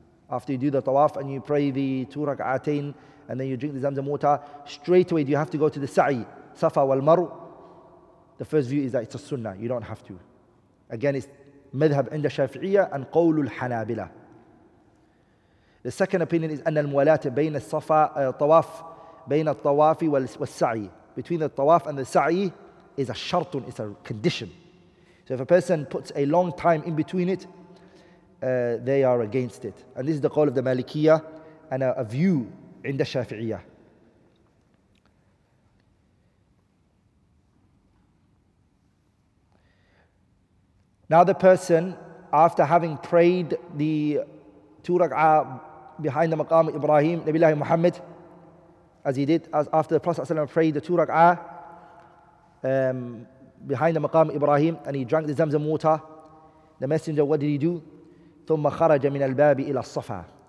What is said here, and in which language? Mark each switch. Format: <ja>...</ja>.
<en>After you do the Tawaf and you pray the two rak'atain and then you drink the Zamzam water, straight away do you have to go to the Sa'i, Safa wal Marw? The first view is that it's a Sunnah, you don't have to. Again, it's</en> <ar>Madhab inda Shafi'iyya and Qawlul Hanabila.</ar> <en>The second opinion is</en> <ar>أن الموالاة بين الصفا طواف بين الطواف والسعي.</ar> <en>Between the tawaf and the sa'i is a shartun, it's a condition. So if a person puts a long time in between it, they are against it. And this is the call of the Malikiyah and a view</en> <ar>عند الشافعية.</ar> <en>Now the person, after having prayed the two rak'ah behind the Maqam Ibrahim, Nabilahi Muhammad, as he did, as after the Prophet ﷺ prayed the two rak'ah behind the Maqam Ibrahim, and he drank the Zamzam water, the Messenger, what did he do?</en> <ar>ثم خرج من الباب إلى الصفا.</ar>